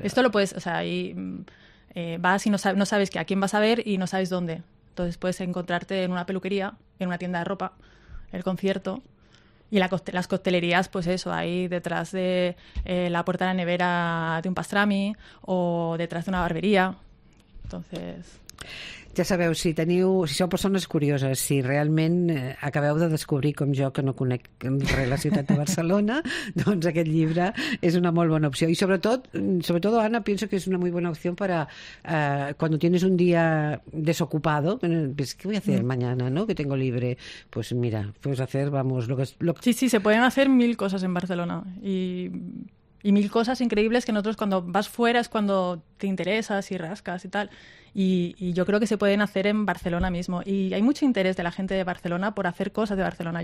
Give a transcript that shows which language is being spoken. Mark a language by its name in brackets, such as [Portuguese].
[Spanish] Esto lo puedes, o sea, ahí vas y no sabes a quién vas a ver y no sabes dónde. Entonces puedes encontrarte en una peluquería, en una tienda de ropa, el concierto. Y las coctelerías, pues eso, ahí detrás de la puerta de la nevera de un pastrami o detrás de una barbería. Entonces... [Catalan] Ja sabeu, si sou persones curioses, si realment acabeu de descobrir, com jo, que no conec res la ciutat de Barcelona, doncs aquest llibre és una molt bona opció. I sobretot, Anna, penso que és una molt bona opció per a quan tens un dia [Spanish] desocupado, pues, ¿qué voy a hacer mañana, no? Que tengo libre. Pues mira, puedes hacer, vamos... Sí, se pueden hacer 1000 cosas en Barcelona. Y 1000 cosas increíbles que nosotros cuando vas fuera es cuando te interesas y rascas y tal. Y yo creo que se pueden hacer en Barcelona mismo. Y hay mucho interés de la gente de Barcelona por hacer cosas de Barcelona.